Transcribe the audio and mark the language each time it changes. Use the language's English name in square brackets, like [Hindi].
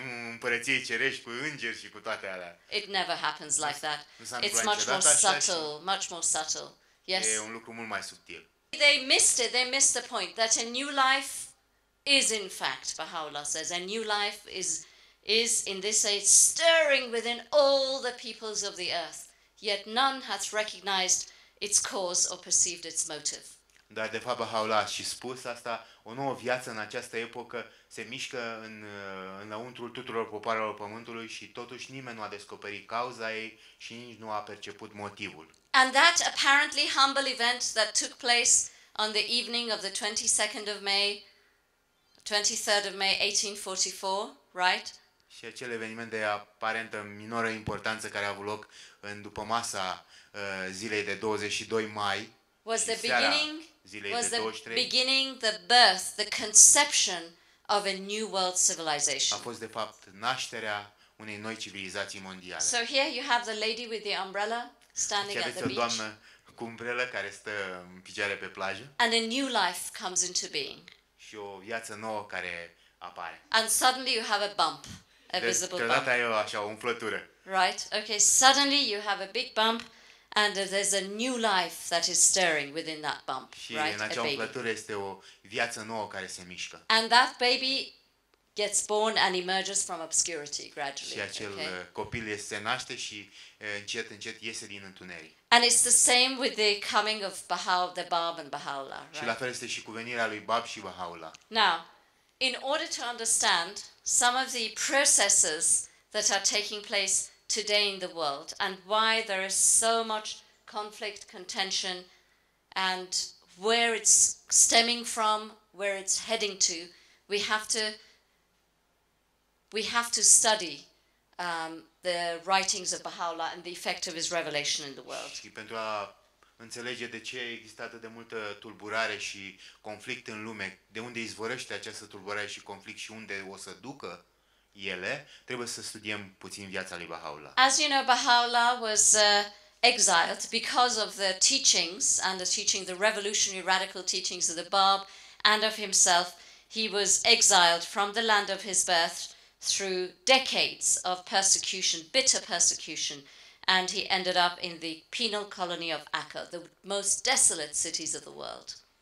[Romanian] Împărăției cerești cu îngeri și cu toate alea. [English] It never happens like that. It's much more subtle, much more subtle. Yes. [Romanian] E un lucru mult mai subtil. [English] They missed it. They missed the point that a new life is, in fact, Baha'u'llah says, a new life is in this age stirring within all the peoples of the earth, yet none hath recognized its cause or perceived its motive. [Romanian] Dar de fapt Baha'u'llah și spus asta, o nouă viață în această epocă se mișcă înăuntrul tuturor popoarelor pământului și totuși nimeni nu a descoperit cauza ei și nici nu a perceput motivul. [English] And that apparently humble event that took place on the evening of the 22nd of May, 23rd of May 1844, right? [Romanian] Și acel eveniment de aparentă minoră importanță care a avut loc în după masa zilei de 22 mai. [English] Was the beginning? Was the beginning, the birth, the conception of a new world civilization. [Romanian] A fost de fapt nașterea unei noi civilizații mondiale. [English] So here you have the lady with the umbrella standing at the beach. [Romanian] O doamnă cu umbrelă care stă în picioare pe plajă. [English] And a new life comes into being. [Romanian] Și o viață nouă care apare. [English] And suddenly you have a bump. A visible bump. [Romanian] Deodată ai așa o umflătură. [English] Right? Okay, suddenly you have a big bump and there's a new life that is stirring within that bump, [Romanian] și [English] right? [Romanian] Și în acea umflătură este o viață nouă care se mișcă. [English] And that baby gets born and emerges from obscurity gradually. [Romanian] Și acel copil se naște și încet încet iese din întuneric. [English] And it's the same with the coming of the Bab and Baha'u'llah, right? [Romanian] Și la fel este și cu venirea lui Bab și Baha'u'llah. [English] Now, in order to understand some of the processes that are taking place today in the world and why there is so much conflict, contention, and where it's stemming from, where it's heading to, we have to study the writings of Baha'u'llah and the effect of his revelation in the world. [Romanian] Și pentru a înțelege de ce există atât de multă tulburare și conflict în lume, de unde izvorăște această tulburare și conflict și unde o să ducă ele, trebuie să studiem puțin viața lui Baha'u'llah. [English] As you know, Baha'u'llah was exiled because of the teachings and the revolutionary radical teachings of the Bab and of himself. He was exiled from the land of his birth through decades of persecution, bitter persecution, and he ended up in the penal colony of Acre, the most desolate cities of the world.